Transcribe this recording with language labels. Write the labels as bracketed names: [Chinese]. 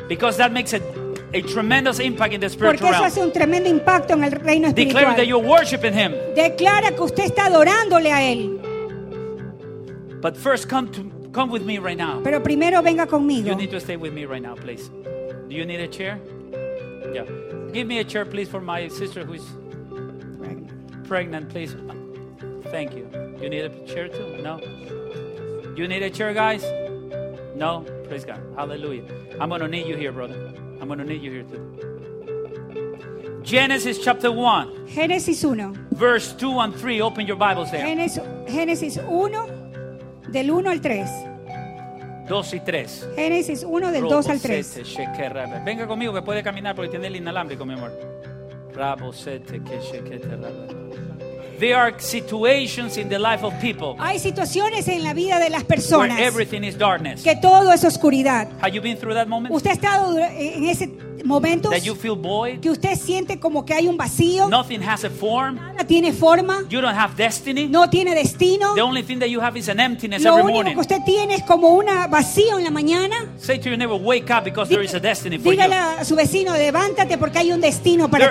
[English] Because that makes a tremendous impact in the spiritual realm. [Spanish] Hace un tremendo impacto en el reino espiritual. [English] Declaring that you're worshiping him. [Spanish] Declara que usted está adorándole a él. [English] But first come with me right now. [Spanish] Pero primero venga conmigo. [English] You need to stay with me right now, please. Do you need a chair? Yeah. Give me a chair, please, for my sister who is pregnant, please. Thank you. You need a chair, too? No? You need a chair, guys? No? Praise God. Hallelujah. I'm going to need you here, brother. I'm going to need you here, too. Genesis chapter 1. Genesis 1. Verse 2 and 3. Open your Bibles there. [Spanish] Genesis 1, del 1 al 3. 2 y 3. Génesis 1 del 2 al 3. Venga conmigo que puede caminar porque tiene el inalámbrico, mi amor. Rabosete que shekete rabe. [English] There are situations in the life of people. [Spanish] Hay situaciones en la vida de las personas. [English] Where everything is darkness. [Spanish] Que todo es oscuridad. [English] Have you been through that moment? [Spanish] ¿Usted ha estado en ese momento? [English] That you feel void. [Spanish] Que usted siente como que hay un vacío. [English] Nothing has a form. [Spanish] Nada tiene forma. [English] You don't have destiny. [Spanish] No tiene destino. [English] The only thing that you have is an emptiness [Spanish] Lo [English] every [Spanish] único [English] morning. [Spanish] Que usted tiene es como una vacío en la mañana. [English] Say to your neighbor, wake up because there is a destiny for [Spanish] dígale [English] you. [Spanish] Dígale a su vecino, levántate porque hay un destino para